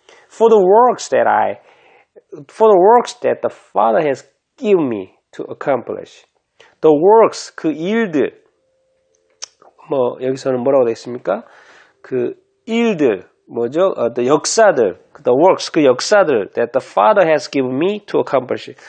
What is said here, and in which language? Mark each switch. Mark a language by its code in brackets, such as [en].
[en] For the works that I, for the works that the Father has given me to accomplish. The works, [ko] 그 일들. 뭐, 여기서는 뭐라고 되겠습니까? 그 일들. 뭐죠? [en] The 역사들, the works, [ko] 그 역사들 [en] that the Father has given me to accomplish.